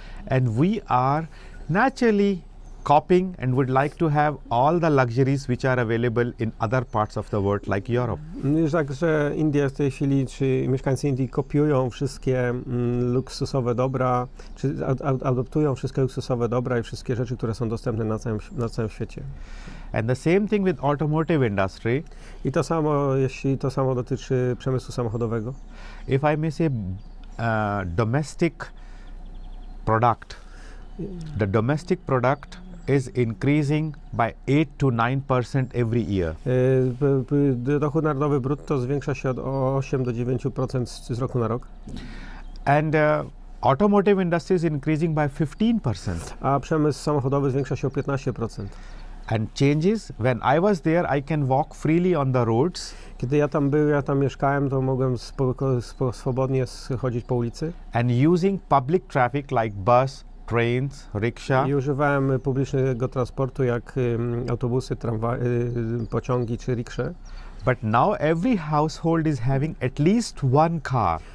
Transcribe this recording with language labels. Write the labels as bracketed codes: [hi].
[en] And we are naturally copying and would like to have all the luxuries which are available in other parts of the world, like Europe. [pl] Także Indie w tej chwili, czy mieszkańcy Indii kopiują wszystkie luksusowe dobra, czy adoptują wszystkie luksusowe dobra i wszystkie rzeczy, które są dostępne na całym świecie. [en] And the same thing with automotive industry. [pl] I to samo, jeśli to samo dotyczy przemysłu samochodowego. [en] If I may say domestic product, the domestic product is increasing by 8-9% every year. [pl] Dochód narodowy brutto zwiększa się o 8-9% z roku na rok. [en] And automotive industry is increasing by 15%. [pl] A przemysł samochodowy zwiększa się o 15%. [en] And changes, when I was there, I can walk freely on the roads. [pl] Kiedy ja tam byłem, ja tam mieszkałem, to mogłem swobodnie chodzić po ulicy. [en] And using public traffic like bus, trains, rickshaw. [pl] I używałem publicznego transportu, jak autobusy, pociągi czy rickshaw. [en] But now every household is having at least one car.